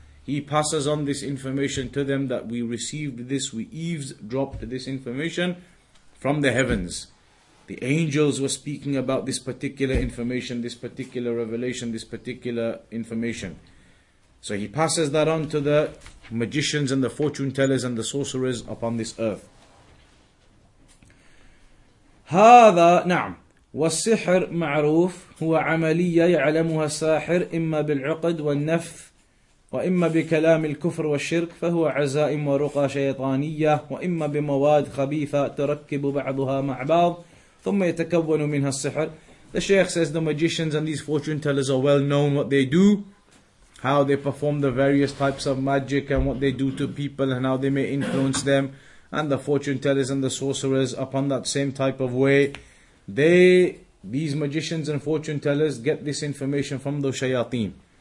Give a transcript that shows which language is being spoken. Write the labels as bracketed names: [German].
[English] He passes on this information to them that we received this, we eavesdropped this information from the heavens. The angels were speaking about this particular information, this particular revelation, this particular information. So he passes that on to the magicians and the fortune tellers and the sorcerers upon this earth. [Arabic] هذا نعم والسحر معروف هو عملية يعلمها الساحر إما بالعقد والنفث وإما بكلام الكفر والشرك فهو عزائم ورقى شيطانية وإما بمواد خبيثة تركب بعضها مع بعض ثم يتكون منها السحر. [English] The Shaykh says the magicians and these fortune tellers are well known what they do, how they perform the various types of magic and what they do to people and how they may influence them, and the fortune tellers and the sorcerers upon that same type of way. These magicians and fortune tellers get this information from the shayateen.